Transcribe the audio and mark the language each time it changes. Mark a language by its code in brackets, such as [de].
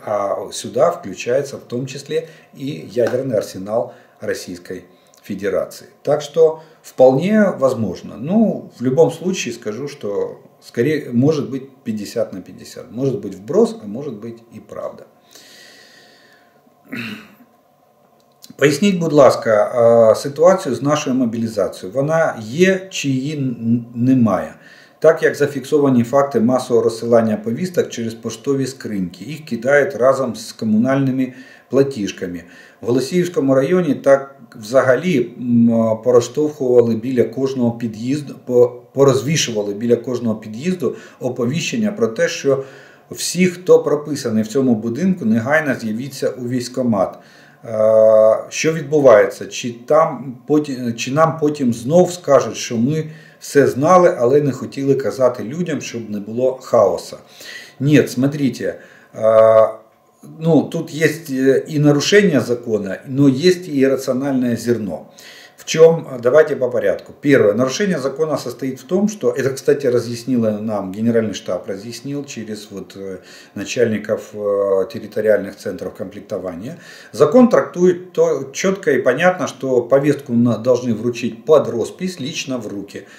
[ru] А сюда включается в том числе и ядерный арсенал Российской Федерации. Так что вполне возможно. Ну, в любом случае скажу, что скорее может быть 50 на 50. Может быть вброс, а может быть и правда. [uk] Пояснить, будь ласка, ситуацию с нашою мобілізацією. Вона є чи її немає? Так як зафіксовані факти масового розсилання повісток через поштові скриньки. Їх кидають разом з комунальними платіжками. В Голосіївському районі так взагалі пороштовхували біля кожного під'їзду, порозвішували біля кожного під'їзду оповіщення про те, що всі, хто прописаний в цьому будинку, негайно з'явіться у військкомат. Що відбувається? Чи нам потім знов скажуть, що ми все знали, але не хотіли казати людям, щоб не було хаоса? Ні, [ru] смотрите, [uk] ну, тут є і нарушення закону, але є і раціональне зерно. [ru] В чем, давайте по порядку. Первое, нарушение закона состоит в том, что, это, кстати, разъяснило нам, генеральный штаб разъяснил через вот начальников территориальных центров комплектования. Закон трактует то, четко и понятно, что повестку должны вручить под роспись, лично в руки.